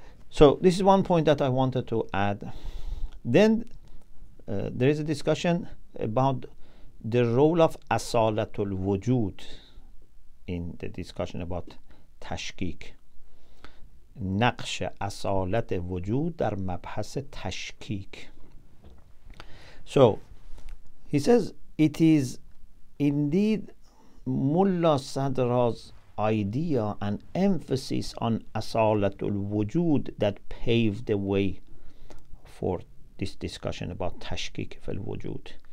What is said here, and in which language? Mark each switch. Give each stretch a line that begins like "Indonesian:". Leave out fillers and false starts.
English: So this is one point that I wanted to add. Then there is a discussion about the role of asalatul wujud in the discussion about tashkik.
Persian: نقش اصالت وجود در مبحث تشکیک.
English: So he says it is indeed Mulla Sadra's idea and emphasis on asalat al-wujud that paved the way for this discussion about tashkik fil wujud.